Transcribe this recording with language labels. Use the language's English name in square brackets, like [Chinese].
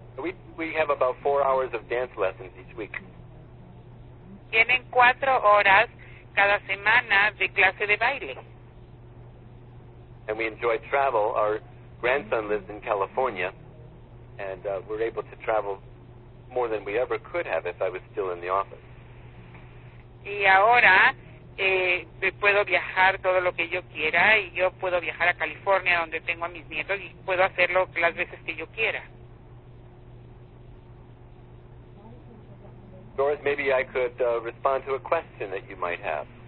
[English] We have about 4 hours of dance lessons each week. [Spanish] Tienen 4 horas cada semana de clase de baile. [English] And we enjoy travel. Our grandson lives in California. and we're able to travel more than we ever could have if I was still in the office. [Spanish] Y ahora puedo viajar todo lo que yo quiera, y yo puedo viajar a California donde tengo a mis nietos y puedo hacerlo las veces que yo quiera. [English] Doris, maybe I could respond to a question that you might have.